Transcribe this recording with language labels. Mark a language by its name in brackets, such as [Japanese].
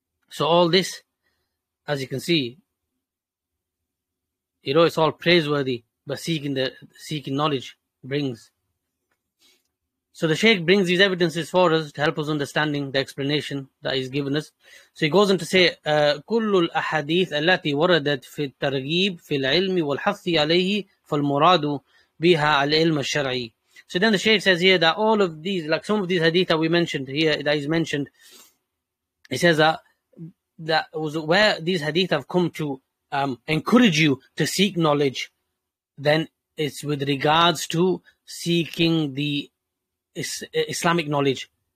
[English] So all this, as you can see, you know, it's all praiseworthy, but seeking knowledge brings. So the Shaykh brings these evidences for us to help us understanding the explanation that he's given us. So he goes on to say, [Arabic] كل الأحاديث التي وردت في الترغيب في العلم والحث عليه فالمراد بها العلم الشرعي. [English] So then the Shaykh says here that all of these, like some of these hadith that we mentioned here, that he's mentioned, he says that that was where these hadith have come to encourage you to seek knowledge, then it's with regards to seeking the Islamic knowledge.